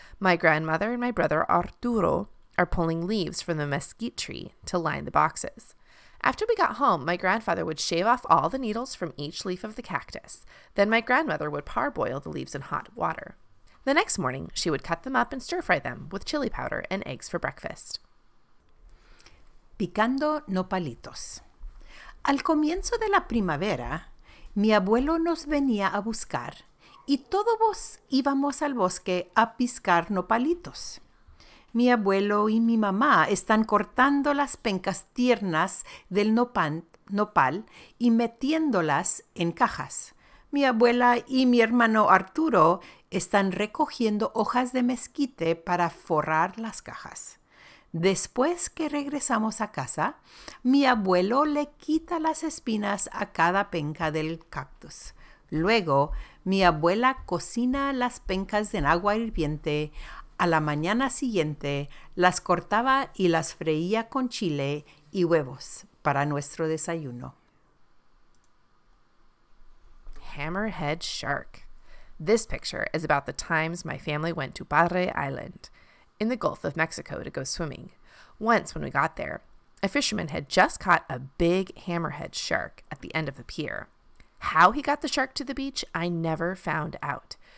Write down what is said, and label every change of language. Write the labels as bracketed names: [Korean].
[English] My grandmother and my brother Arturo are pulling leaves from the mesquite tree to line the boxes. After we got home, my grandfather would shave off all the needles from each leaf of the cactus. Then my grandmother would parboil the leaves in hot water. The next morning, she would cut them up and stir-fry them with chili powder and eggs for breakfast. [Spanish] Picando nopalitos. Al comienzo de la primavera, mi abuelo nos venía a buscar y todos íbamos al bosque a piscar nopalitos. Mi abuelo y mi mamá están cortando las pencas tiernas del nopal y metiéndolas en cajas. Mi abuela y mi hermano Arturo están recogiendo hojas de mezquite para forrar las cajas. Después que regresamos a casa, mi abuelo le quita las espinas a cada penca del cactus. Luego, mi abuela cocina las pencas en agua hirviente. A la mañana siguiente, las cortaba y las freía con chile y huevos para nuestro desayuno. [English] Hammerhead shark. This picture is about the times my family went to Padre Island in the Gulf of Mexico to go swimming. Once when we got there, a fisherman had just caught a big hammerhead shark at the end of the pier. How he got the shark to the beach, I never found out.